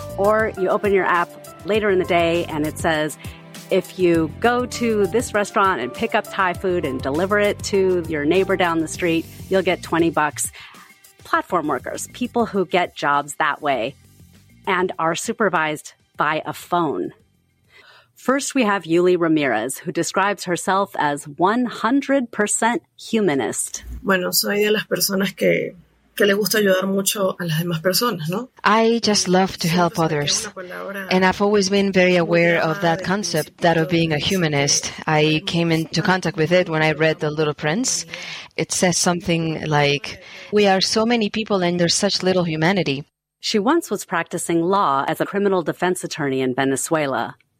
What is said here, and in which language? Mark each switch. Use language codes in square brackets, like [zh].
[en] Or you open your app later in the day and it says, if you go to this restaurant and pick up Thai food and deliver it to your neighbor down the street, you'll get $20. Platform workers, people who get jobs that way and are supervised by a phone. First, we have Yuli Ramirez, who describes herself as 100% humanist. [es] Bueno, soy de las personas que le gusta ayudar mucho a las demás personas, ¿no? [en] I just love to help others, and I've always been very aware of that concept, that of being a humanist. I came into contact with it when I read The Little Prince. It says something like, we are so many people and there's such little humanity. She once was practicing law as a criminal defense attorney in Venezuela.